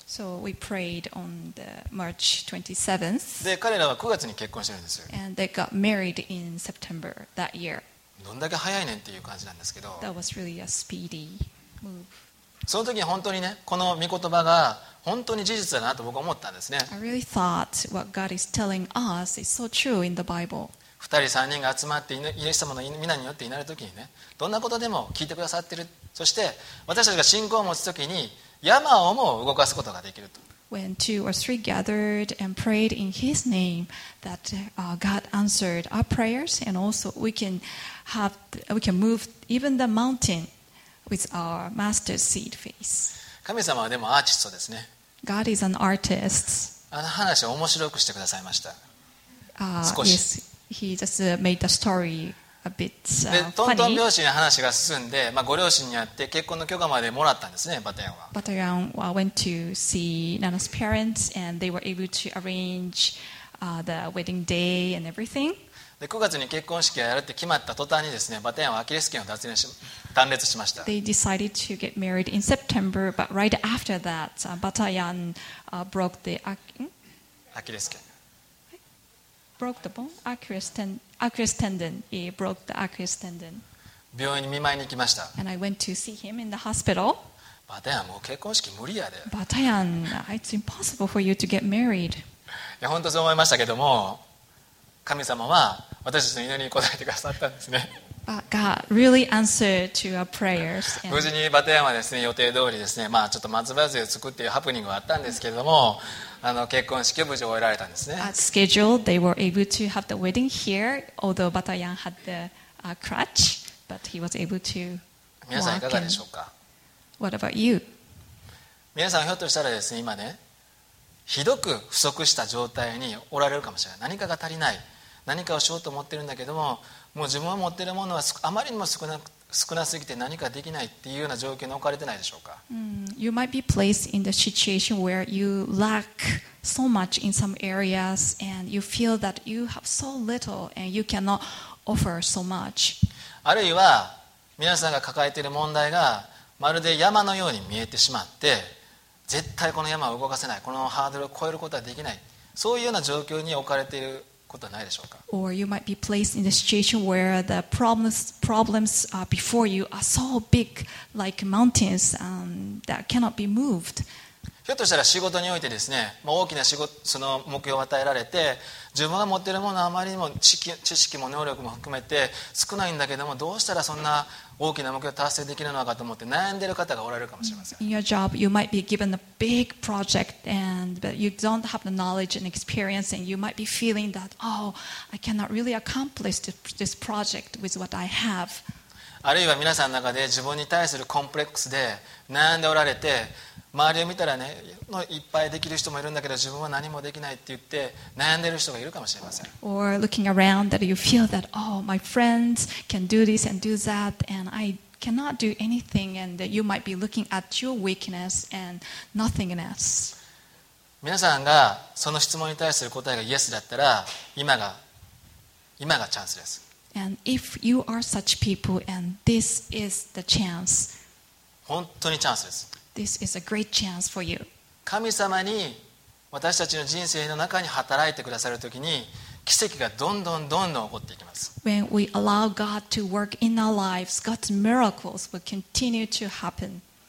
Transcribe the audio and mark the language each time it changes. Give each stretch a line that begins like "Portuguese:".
English: So we prayed on the March 27th.
Japanese: で、彼らは9月に結婚してるんですよ。
English: And they got married in September that year.
Japanese: どんだけ早いねんっていう感じなんですけど。
English: That was really a speedy move.
Japanese: その時本当にね、この御言葉が本当に事実だなと僕は思ったんですね。
English: I really thought what God is telling us is so true in the Bible.
Japanese: 2人3人が集まってイエス様の御名によって祈る時にね、どんなことでも聞いてくださっている。そして私たちが信仰を持つ時に山をも動かすことができると。
English: When two or three gathered and prayed in His name, that God answered our prayers, and also we can move even the mountain. With our master's seed face.
Japanese: 神様はでもアーティストですね。
English: God is an artist.
Japanese: あの話を面白くしてくださいました。少し。
English: Yes, he just made the story a bit funny.
Japanese: で、トントン拍子に話が進んで、まあ、ご両親に会って結婚の許可までもらったんですね、バタヤンは。
English: Batayan went to see Nana's parents and they were able to arrange the wedding day and everything.
Japanese: で9月に結婚式をやるって決まった途端にですね、バタヤンはアキレス腱を断裂しました。
English: They decided to get married in September, but right after that, Batayan broke the Achilles tendon. Broke the bone. Achilles tendon. He broke the Achilles tendon.
Japanese: 病院に見舞いに行きました。
English: And I went to see him in the hospital.
Japanese: バタヤンもう結婚式無理やで。
English: Batayan, it's impossible for you to get married.
Japanese: いや本当そう思いましたけども。神様は私たちの祈りに応えてくださったんですね。
English: But God really answered to our prayers.
Japanese: 無事にバタヤンはですね、予定通りですね、まあちょっと松葉杖をつくっていうハプニングがあったんですけれども、結婚式を無事終えられたんですね。
English: At schedule, they were able to have the wedding here, although Batayan had the crutch, but he was able to walk.
Japanese: 皆さんいかがでしょうか。
English: What about you?
Japanese: 皆さんひょっとしたらですね、今ね。ひどく不足した状態におられるかもしれない。何かが足りない。何かをしようと思っているんだけども、もう自分は持っているものはあまりにも少なすぎて何かできないっていうような状況に置かれてないでしょうか。
English: You might be placed in the situation where you lack so much in some areas and you feel that you have so little and you cannot offer so much.
Japanese: あるいは皆さんが抱えている問題がまるで山のように見えてしまって。絶対この山を動かせない、このハードルを越えることはできない、そういうような状況に置かれていることはないでしょうか。
English: Or you might be placed in the situation where the problems before you are so big, like mountains, that cannot be moved.
Japanese: ひょっとしたら仕事においてですね、まあ、大きな仕事その目標を与えられて、自分が持っているものはあまりにも知識も能力も含めて少ないんだけども、どうしたらそんな大きな目標を達成できるのかと思って悩んでいる方がおられるかもしれません。
English: In your job, you might be given a big project, but you don't have the knowledge and experience, and you might be feeling that, oh, I cannot really accomplish this project with what I have.
Japanese: あるいは皆さんの中で自分に対するコンプレックスで悩んでおられて、周りを見たらね、いっぱいできる人もいるんだけど、自分は何もできないって言って悩んでる人がいるかもしれません。
English: Or looking around that you feel that, oh, my friends can do this and do that, and I cannot do anything, and you might be looking at your weakness and nothingness.
Japanese: 皆さんがその質問に対する答えがイエスだったら、今がチャンスです。
English: And if you are such people, and this is the chance.
Japanese: 本当にチャンスです。
English: This is a great chance for you.
Japanese: 神様に私たちの人生の中に働いてくださるときに奇跡がどんどんどんどん起こっていきます。
English: When we allow God to work in our lives, God's miracles will continue to happen.